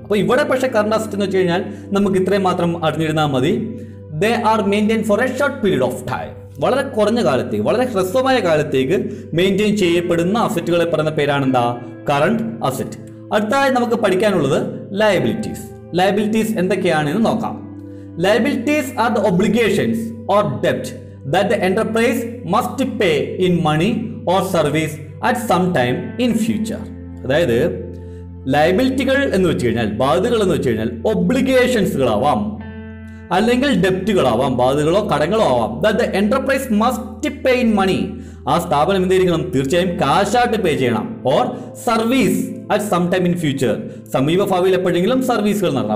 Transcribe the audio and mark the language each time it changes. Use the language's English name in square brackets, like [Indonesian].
[Malayalam] അപ്പോൾ ഇവിടെ പക്ഷേ കറണ്ട് അസറ്റ് എന്ന് വെച്ച് കഴിഞ്ഞാൽ നമുക്ക് ഇത്രയും മാത്രം അറിഞ്ഞിരുന്നാൽ മതി, [English] they are maintain for a short period of time, [Malayalam] വളരെ കുറഞ്ഞ കാലത്തേക്ക്, വളരെ ഹ്രസ്വമായ കാലത്തേക്ക് മെയിൻറ്റെയിൻ ചെയ്യപ്പെടുന്ന അസറ്റുകളെ പറയുന്ന പേരാണ് എന്താ, കറണ്ട് അസറ്റ്. അടുത്തതായി നമുക്ക് പഠിക്കാനുള്ളത് ലയബിലിറ്റീസ്. ലയബിലിറ്റീസ് എന്തൊക്കെയാണെന്ന് നോക്കാം. [English] Liabilities are the obligations or debt that the enterprise must pay in money or service at some time in future. [Malayalam] അതായത് ലയബിലിറ്റികൾ എന്ന് വെച്ച് കഴിഞ്ഞാൽ, ബാധ്യതകൾ എന്ന് വെച്ച് കഴിഞ്ഞാൽ ഒബ്ലിഗേഷൻസുകളാവാം അല്ലെങ്കിൽ ഡെപ്റ്റുകളാവാം, ബാധ്യതകളോ കടങ്ങളോ ആവാം, [English] the enterprise must pay in money, [Malayalam] ആ സ്ഥാപനം എന്ത് ചെയ്യണം? തീർച്ചയായും കാശായിട്ട് പേ ചെയ്യണം. [English] or service at some time in future, [Malayalam] സമീപ ഭാവിയിൽ എപ്പോഴെങ്കിലും സർവീസുകൾ നടണം.